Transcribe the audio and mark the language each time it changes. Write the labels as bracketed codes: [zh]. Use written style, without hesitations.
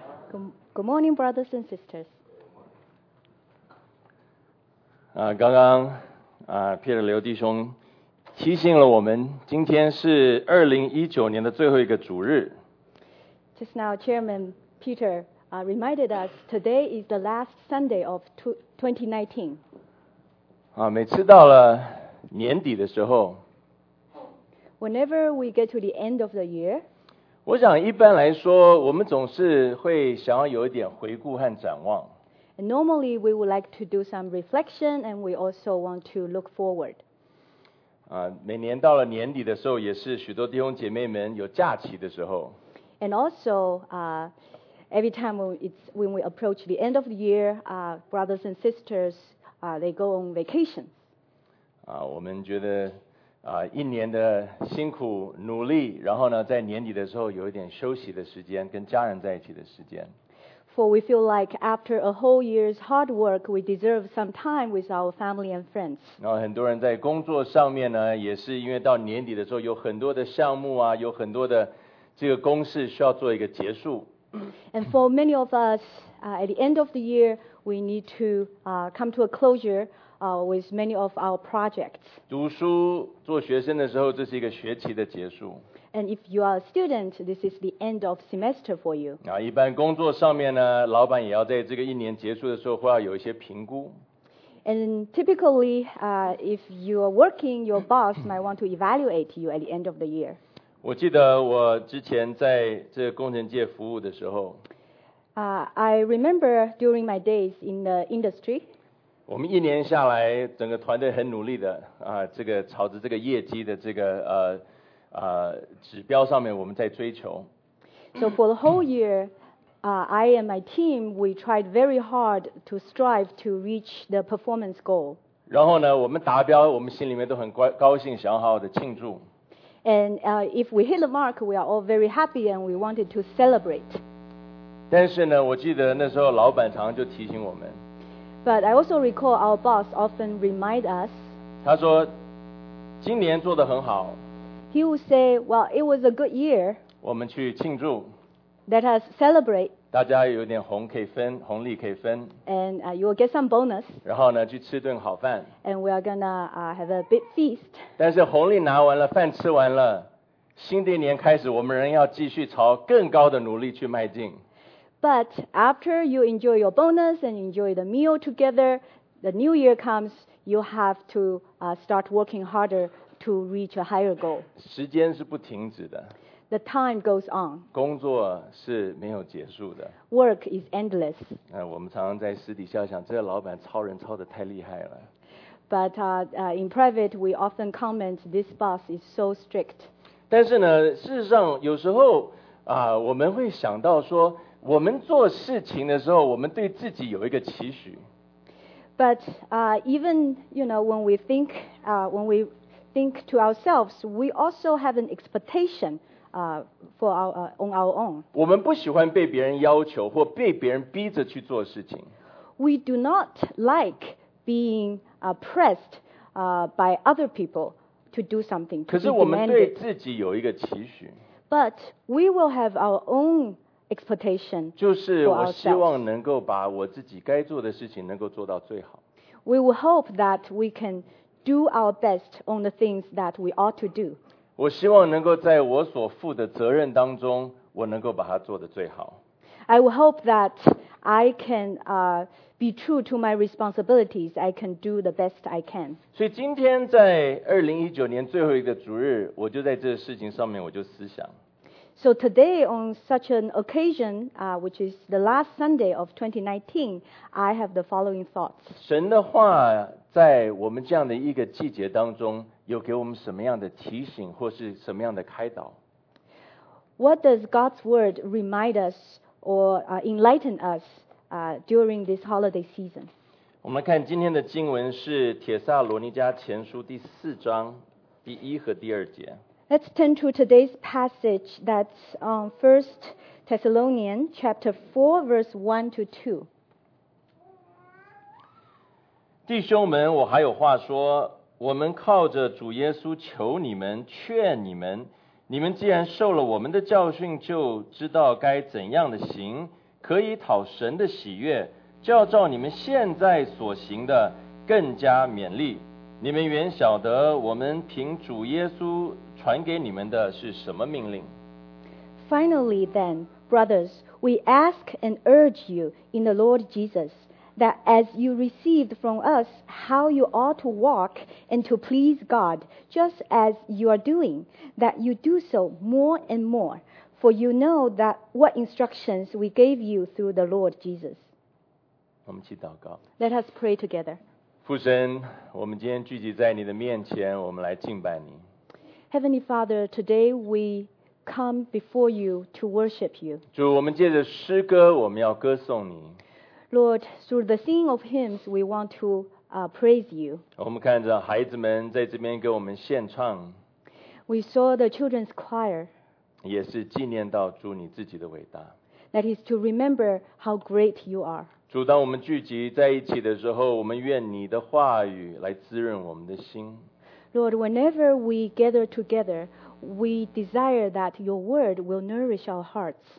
[en] Good morning, brothers and sisters. [zh] 刚刚Peter 刘弟兄提醒了我们，今天是2019年的最后一个主日。 [en] Just now, Chairman Peter reminded us today is the last Sunday of 2019. [zh] 每次到了年底的时候。 [en] Whenever we get to the end of the year. [zh] 我想一般来说我们总是会想要有一点回顾和展望。 [en] And normally we would like to do some reflection and we also want to look forward. [zh] 每年到了年底的时候也是许多弟兄姐妹们有假期的时候。 [en] And also, every time when we approach the end of the year, brothers and sisters, they go on vacation. [zh] 我们觉得一年的辛苦努力，然后呢，在年底的时候有一点休息的时间，跟家人在一起的时间。 [en] For we feel like after a whole year's hard work, we deserve some time with our family and friends. [zh] 然后很多人在工作上面呢，也是因为到年底的时候有很多的项目啊，有很多的这个公事需要做一个结束。 [en] And for many of us, at the end of the year, we need to come to a closure. With many of our projects. [zh] 读书做学生的时候，这是一个学期的结束。 [en] And if you are a student, this is the end of semester for you. [zh] 一般工作上面呢，老板也要在这个一年结束的时候，会要有一些评估。 [en] And typically, if you are working, your boss might want to evaluate you at the end of the year. [zh] 我记得我之前在这个工程界服务的时候。 [en] I remember during my days in the industry. [zh] 我们一年下来，整个团队很努力的这个朝着这个业绩的这个指标上面，我们在追求。 [en] So for the whole year, I and my team, we tried very hard to strive to reach the performance goal. [zh] 然后呢，我们达标，我们心里面都很高兴，想要好好的庆祝。 [en] And if we hit the mark, we are all very happy and we wanted to celebrate. [zh] 但是呢，我记得那时候老板常常就提醒我们。 [en] But I also recall our boss often remind us. [zh] 他说，今年做得很好。 [en] He would say, "Well, it was a good year." [zh] 我们去庆祝。 [en] Let us celebrate. [zh] 大家有点红可以分，红利可以分。 [en] And you will get some bonus. [zh] 然后呢，去吃顿好饭。 [en] And we are gonna have a big feast. [zh] 但是红利拿完了，饭吃完了，新的一年开始，我们仍要继续朝更高的努力去迈进。 [en] But after you enjoy your bonus and enjoy the meal together, the new year comes, you have to start working harder to reach a higher goal. [zh] 时间是不停止的。 [en] The time goes on. [zh] 工作是没有结束的。 [en] Work is endless. [zh] 我们常常在私底下想，这个老板超人超得太厉害了。 [en] But in private, we often comment, this boss is so strict. [zh] 但是呢，事实上有时候我们会想到说，我们做事情的时候，我们对自己有一个期许。 [en] But even you know when we think to ourselves, we also have an expectation on our own. [zh] 我们不喜欢被别人要求或被别人逼着去做事情。 [en] We do not like being pressed by other people to do something. [zh] 可是我们对自己有一个期许。 [en] But we will have our own. Expectation [zh] 就是我希望能够把我自己该做的事情能够做到最好。 [en] We will hope that we can do our best on the things that we ought to do. [zh] 我希望能够在我所负的责任当中，我能够把它做得最好。 [en] I will hope that I can be true to my responsibilities. I can do the best I can. [zh] 所以今天在2019年最后一个主日，我就在这个事情上面我就思想。 [en] So today, on such an occasion, which is the last Sunday of 2019, I have the following thoughts. [zh] 神的话在我们这样的一个季节当中，有给我们什么样的提醒，或是什么样的开导？ [en] What does God's word remind us or enlighten us during this holiday season? [zh] 我们看今天的经文是《帖撒罗尼迦前书》第四章第一和第二节。 [en] Let's turn to today's passage that's on 1 Thessalonians chapter 4, verse 1 to 2. [zh] 弟兄们，我还有话说，我们靠着主耶稣求你们，劝你们，你们既然受了我们的教训，就知道该怎样的行，可以讨神的喜悦，就要照你们现在所行的更加勉励。你们原晓得我们凭主耶稣传给你们的是什么命令。 [en] Finally then, brothers, we ask and urge you in the Lord Jesus that as you received from us how you ought to walk and to please God just as you are doing, that you do so more and more, for you know that what instructions we gave you through the Lord Jesus. [zh] 我们一起祷告。 [en] Let us pray together. [zh] 父神，我们今天聚集在你的面前，我们来敬拜你。 [en] Heavenly Father, today we come before you to worship you. [zh] 主，我们借着诗歌，我们要歌颂你。 [en] Lord, through the singing of hymns, we want to praise you. [zh] 我们看着孩子们在这边给我们献唱。 [en] We saw the children's choir. [zh] 也是纪念到主你自己的伟大。 [en] That is to remember how great you are. [zh] 主，当我们聚集在一起的时候，我们愿你的话语来滋润我们的心。 [en] Lord, whenever we gather together, we desire that your word will nourish our hearts.